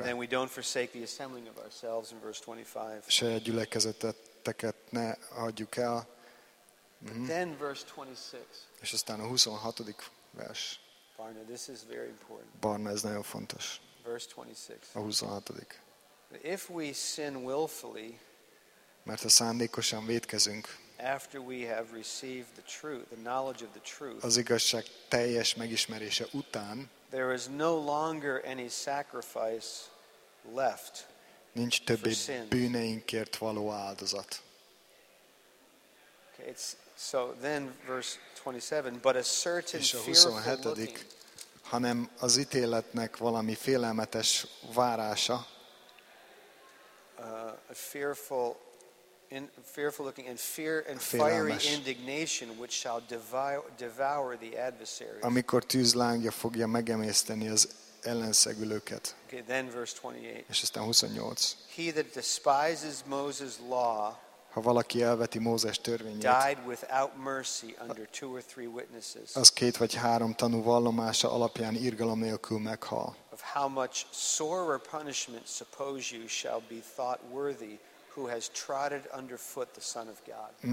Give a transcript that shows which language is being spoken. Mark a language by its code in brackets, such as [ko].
[en] And then we don't forsake the assembling of ourselves in verse 25. [hu] Se a gyülekezeteket ne hagyjuk el. [en] But then verse 26. [hu] És aztán a 26. vers. [en] Barna, this is very important. [hu] Barna, ez nagyon fontos. [en] Verse 26. [hu] A 26. [en] If we sin willfully, [hu] mert ha szándékosan vétkezünk, [en] after we have received the truth, the knowledge of the truth, [hu] az igazság teljes megismerése után, [en] there is no longer any sacrifice left. [hu] Nincs többé bűneinkért való áldozat. [en] Okay, it's so then verse 27, but a certain fearful looking, [hu] hanem az ítéletnek valami félelmetes várása. [en] A fearful in fearful looking and fear and fiery indignation which shall devour the adversaries. [hu] Amikor tűzlángja fogja megemészteni az ellenszegülőket. [en] Okay, then verse 28. [hu] És aztán 28. [en] He that despises Moses' law, [hu] ha valaki elveti Mózes törvényét, [en] died without mercy under two or three witnesses, [hu] az két vagy három tanú vallomása alapján irgalom nélkül meghal. [en] Of how much sorer punishment suppose you shall be thought worthy who has trotted underfoot the Son of God.